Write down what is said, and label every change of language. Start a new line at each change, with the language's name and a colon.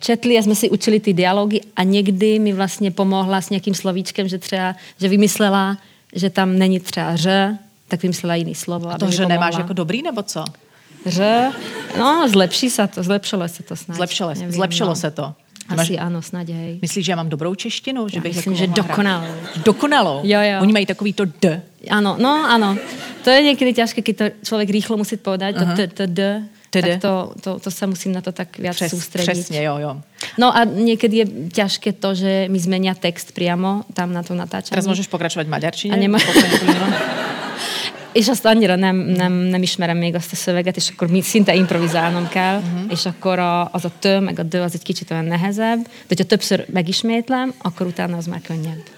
Slovak: Četli a sme si učili tie dialógy a niekdy mi vlastne pomohla s nejakým slovíčkem, že třeba, že vymyslela, že tam není třeba ž, tak vymyslela iný slovo.
Czech: A to, že nemáš ako dobrý, nebo co?
Slovak: Že? No, zlepší sa to, zlepšilo sa to snáď. Zlepšilo sa to. Asi áno, snáď, hej.
Czech: Myslíš, že ja mám dobrou češtinu? Že bych myslím, že dokonalou. Dokonalou? Jo, jo. Oni mají takový to D.
Slovak: Áno, no, áno. To je niekedy ťažké, keď to človek rýchlo musí povedať, to D.
Czech: Tedy?
Slovak: Tak to sa musím na to tak viac sústrediť.
Czech: Presne, jo, jo.
Slovak: No a niekedy je ťažké to, že mi zmenia text priamo, tam na to natáčam. Teraz môžeš pokračovať v maďarčine.
Hungarian: A és azt annyira nem ismerem még azt a szöveget, és akkor szinte improvizálnom kell, és akkor az a tő, meg a dő az egy kicsit olyan nehezebb, de hogyha többször megismétlem, akkor utána az már könnyebb.